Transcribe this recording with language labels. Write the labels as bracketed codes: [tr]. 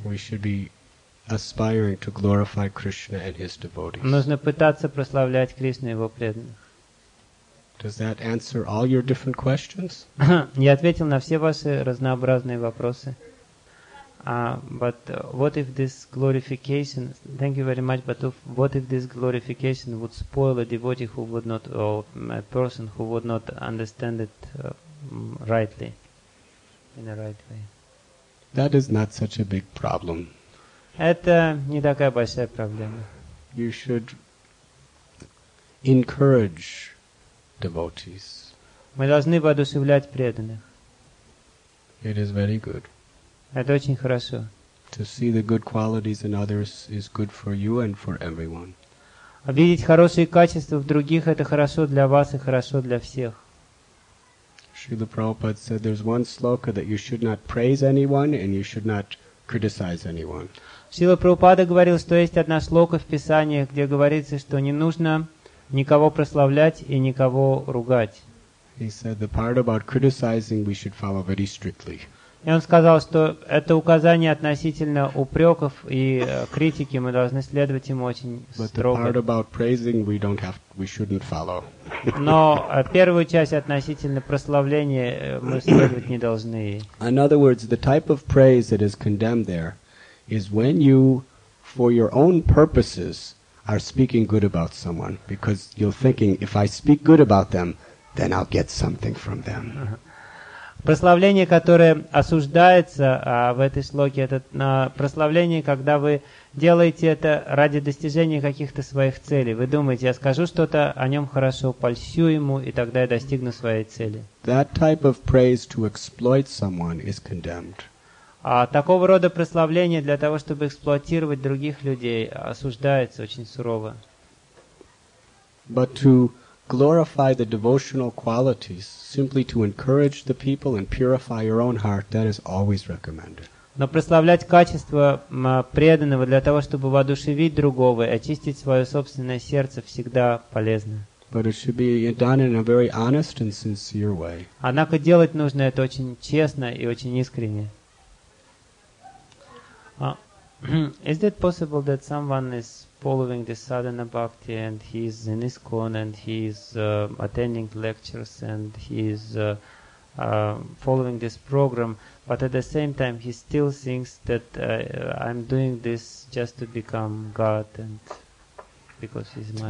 [en] We should be aspiring to glorify Krishna and his devotees. [ru] Нужно пытаться прославлять Кришну и его преданных. [en] Does that answer all your different questions? [ru] Я ответил на все ваши разнообразные вопросы. [en] But what if this glorification? Thank you very much. But what if this glorification would spoil a devotee who would not, or a person who would not understand it rightly, in a right way? That is not such a big problem. [ru] Это не такая большая проблема. [en] You should encourage devotees. [ru] Мы должны воодушевлять преданных. [en] It is very good. [ru] Это очень хорошо. [en] To see the good qualities in others is good for you and for everyone. [ru] Видеть хорошие качества в других — это хорошо для вас и хорошо для всех. [en] Srila Prabhupada said there's one sloka that you should not praise anyone and you should not criticize anyone. [ru] Srila Prabhupada говорил, что есть одна слока в Писании, где говорится, что не нужно никого прославлять и никого ругать. [en] He said the part about criticizing we should follow very strictly. [ru] И он сказал, что это указание относительно упреков и критики, мы должны следовать им очень строго. [en] But the part about praising we don't have, we shouldn't follow. [ru] Но первую часть относительно прославления мы следовать не должны. [en] In other words, the type of praise that is condemned there is when you, for your own purposes, are speaking good about someone, because you're thinking, if I speak good about them, then I'll get something from them. [ru] Прославление, которое осуждается в этой шлоке, это прославление, когда вы делаете это ради достижения каких-то своих целей. Вы думаете, я скажу что-то о нем хорошо, польщу ему, и тогда я достигну своей цели. [en] That type of praise to exploit someone is condemned. [ru] А такого рода прославление для того, чтобы эксплуатировать других людей, осуждается очень сурово. [en] But to glorify the devotional qualities, simply to encourage the people and purify your own heart, that is always recommended. [ru] Но прославлять качество преданного для того, чтобы воодушевить другого, очистить свое собственное сердце, всегда полезно. [en] But it should be done in a very honest and sincere way. [ru] Однако делать нужно это очень честно и очень искренне. [en] Is it possible that someone is following this sadhana bhakti and he is in ISKCON and he is attending lectures and he is following this program, but at the same time he still thinks that I'm doing this just to become God and because he's my...